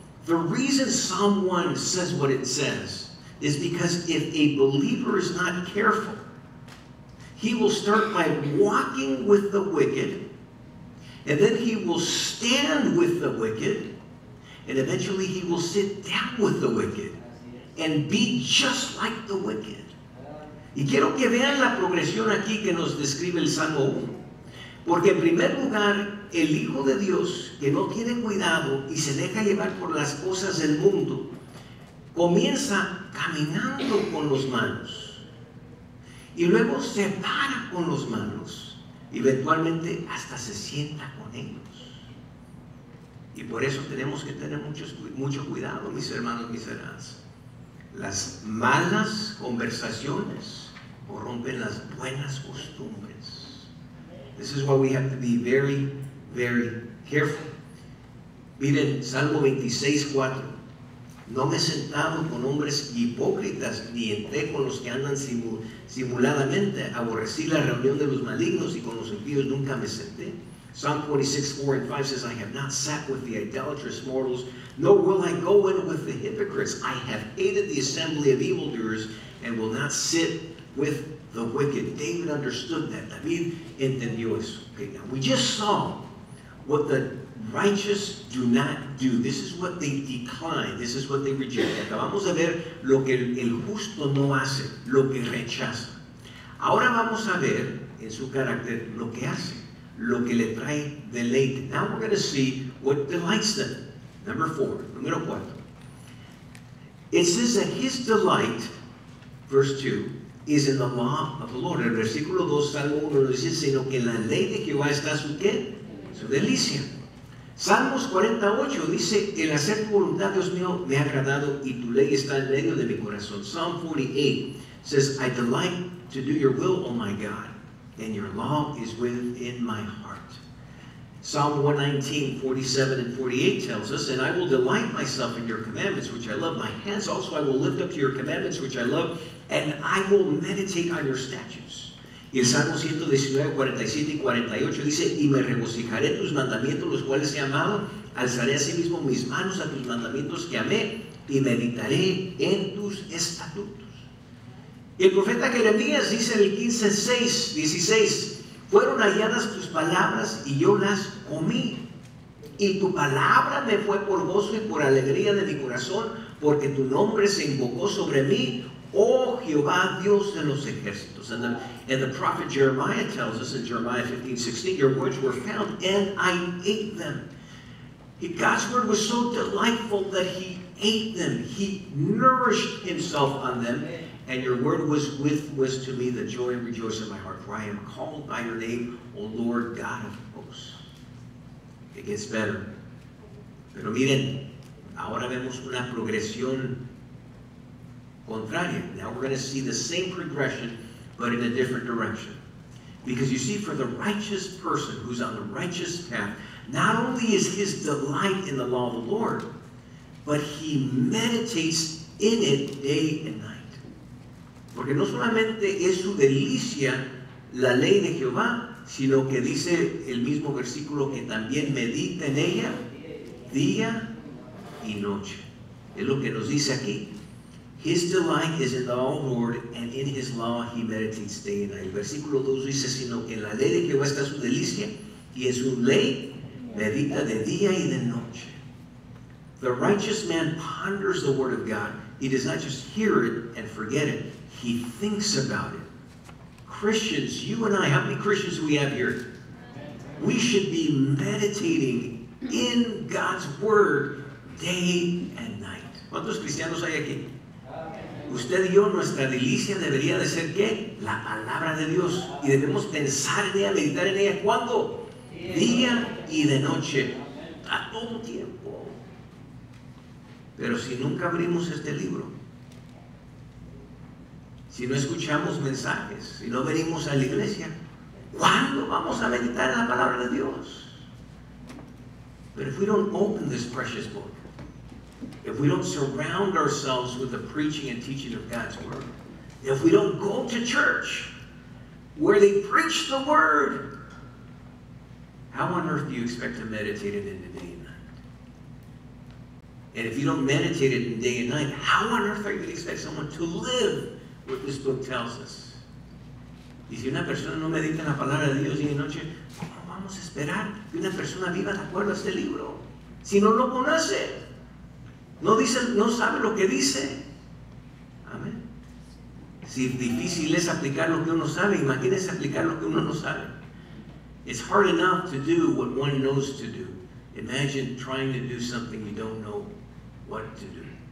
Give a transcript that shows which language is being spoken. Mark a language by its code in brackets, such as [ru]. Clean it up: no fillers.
[en] The reason someone says what it says is because if a believer is not careful, he will start by walking with the wicked, and then he will stand with the wicked, and eventually he will sit down with the wicked and be just like the wicked. [es] Y quiero que vean la progresión aquí que nos describe el Salmo 1. Porque en primer lugar, el Hijo de Dios, que no tiene cuidado y se deja llevar por las cosas del mundo, comienza caminando con los malos. Y luego se para con los malos. Y eventualmente hasta se sienta con ellos. Y por eso tenemos que tener mucho cuidado, mis hermanos, mis hermanas. Las malas conversaciones corrompen las buenas costumbres. [en] This is why we have to be very, very careful. [es] Miren, Salmo 26:4. No me he sentado con hombres hipócritas, ni entré con los que andan simuladamente. Aborrecí la reunión de los malignos y con los impíos nunca me senté. [en] Psalm 26:4-5 says, I have not sat with the idolatrous mortals, nor will I go in with the hypocrites. I have hated the assembly of evildoers and will not sit with the wicked. David understood that. [es] David entendió eso. [en] Okay, now we just saw what the righteous do not do. This is what they decline. This is what they reject. [es] Acabamos de ver lo que el justo no hace, lo que rechaza. Ahora vamos a ver en su carácter lo que hace, lo que le trae deleite. [en] Now we're going to see what delights them. Number 4. It says that his delight, verse 2, is in the law of the Lord. [es] El versículo 2, Salmo 1, nos dice, sino que en la ley de Jehová está su qué? Su delicia. Salmos 48 dice, el hacer tu voluntad, Dios mío, me ha agradado y tu ley está en medio de mi corazón. [en] Psalm 48 says, I delight to do your will, oh my God, and your law is within my heart. Psalm 119, 47 and 48 tells us, and I will delight myself in your commandments, which I love. My hands also I will lift up to your commandments, which I love, and I will meditate on your statutes. [es] Y el Salmo 119, 47 y 48 dice, y me regocijaré tus mandamientos, los cuales he amado, alzaré a sí mismo mis manos a tus mandamientos que amé, y meditaré en tus estatutos. Y el profeta Jeremías dice en el 15:16, fueron halladas tus palabras y yo las comí, y tu palabra me fue por gozo y por alegría de mi corazón, porque tu nombre se invocó sobre mí, oh Jehová, Dios de los ejércitos. [en] And the prophet Jeremiah tells us in Jeremiah 15:16, your words were found and I ate them. God's word was so delightful that he ate them. He nourished himself on them. And your word was to me the joy and rejoice of my heart. For I am called by your name, O Lord God of hosts. It gets better. [es] Pero miren, ahora vemos una progresión contraria. [en] Now we're going to see the same progression, but in a different direction. Because you see, for the righteous person who's on the righteous path, not only is his delight in the law of the Lord, but he meditates in it day and night. [es] Porque no solamente es su delicia la ley de Jehová, sino que dice el mismo versículo que también medita en ella día y noche. Es lo que nos dice aquí. [en] His delight is in the Lord, and in his law he meditates day and night. [es] El versículo 2 dice, sino que en la ley de Jehová está su delicia, y en su ley medita de día y de noche. [en] The righteous man ponders the word of God. He does not just hear it and forget it. He thinks about it. Christians, you and I, how many Christians do we have here? We should be meditating in God's word day and night. [es] ¿Cuántos cristianos hay aquí? Usted y yo, nuestra delicia debería de ser, ¿qué? La palabra de Dios. Y debemos pensar en ella, meditar en ella. ¿Cuándo? Día y de noche. A todo tiempo. Pero si nunca abrimos este libro, si no escuchamos mensajes, si no venimos a la iglesia, ¿cuándo vamos a meditar la palabra de Dios? [en] But if we don't open this precious book, if we don't surround ourselves with the preaching and teaching of God's word, if we don't go to church where they preach the word, how on earth do you expect to meditate it in day and night? And if you don't meditate it in day and night, how on earth are you going to expect someone to live what this book tells us? [es] Y si una persona no medita en la palabra de Dios día y noche, ¿cómo vamos a esperar que una persona viva de acuerdo a este libro? Si no lo conoce, no dice, no sabe lo que dice. Amén. Si difícil es aplicar lo que uno sabe, imagínese aplicar lo que uno no sabe. [en] It's hard enough to do what one knows to do. Imagine trying to do something you don't know what to do.